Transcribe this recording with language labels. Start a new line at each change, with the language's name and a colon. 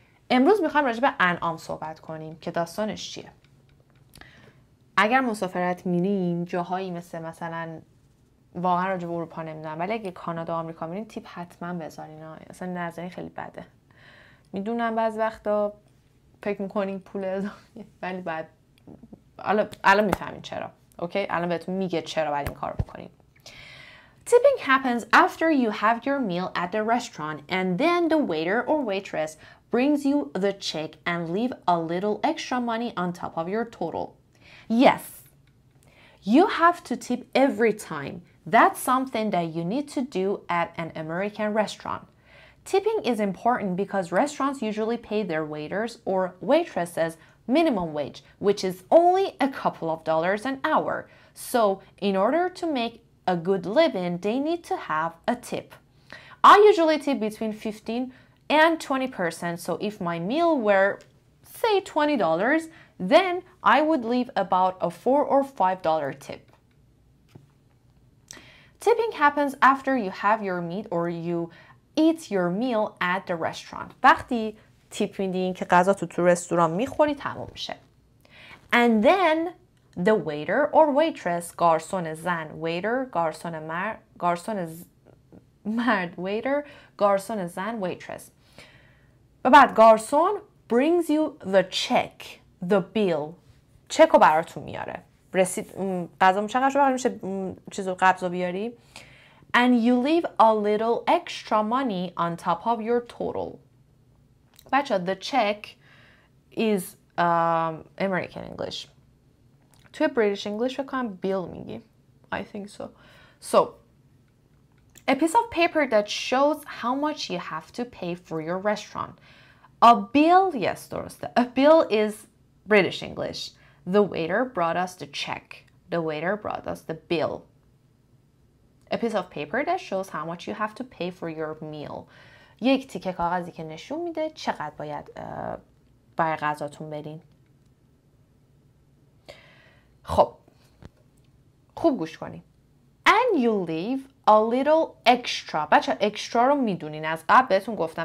Persian: امروز میخوایم راجع به انعام صحبت کنیم که داستانش چیه. اگر مسافرت میریم جاهایی مثلا واقعا راجع به اروپا نمیدونم ولی اگه کانادا و آمریکا میریم تیپ حتما بذارین. اصلا نظرین خیلی بده. میدونم بعض وقتا فکر میکنین پول ولی بعد الان میفهمین چرا اوکی الان بهتون میگه چرا باید این کار بکنین
English: Tipping happens after you have your meal at the restaurant and then the waiter or waitress brings you the check and leave a little extra money on top of your total. Yes, you have to tip every time. That's something that you need to do at an American restaurant. Tipping is important because restaurants usually pay their waiters or waitresses minimum wage, which is only a couple of dollars an hour. So in order to make a good living, they need to have a tip. I usually tip between 15 and 20%. So if my meal were, say, $20, then I would leave about a $4 or $5 tip. Tipping happens after you have your meat or you eat your meal at the restaurant.
Persian: وقتی تیپ میدین که غذا تو رستوران میخوری تموم میشه.
English: And then the waiter or waitress, garçon زن, waiter, garçon مرد, garçon مرد, waiter, garçon زن, waitress.
Persian: و بعد
English: garçon brings you the check, the bill.
Persian: چک رو براتون میاره. رسید غذا چقدر شده میشه چیزو قبض بیاری.
English: And you leave a little extra money on top of your total. بچه the check is American English.
Persian: توی British English بکنم bill میگی.
English: I think so. So, a piece of paper that shows how much you have to pay for your restaurant. A bill, yes, درسته. A bill is British English. The waiter brought us the check. The waiter brought us the bill. A piece of paper that shows how much you have to pay for your meal.
Persian: یک تیکه کاغذی که نشون میده چقدر باید برای غذاتون بدین. خب. خوب گوش کنین.
English: And you leave a little extra.
Persian: بچه اکسترا رو میدونین. از قبل بهتون گفتم.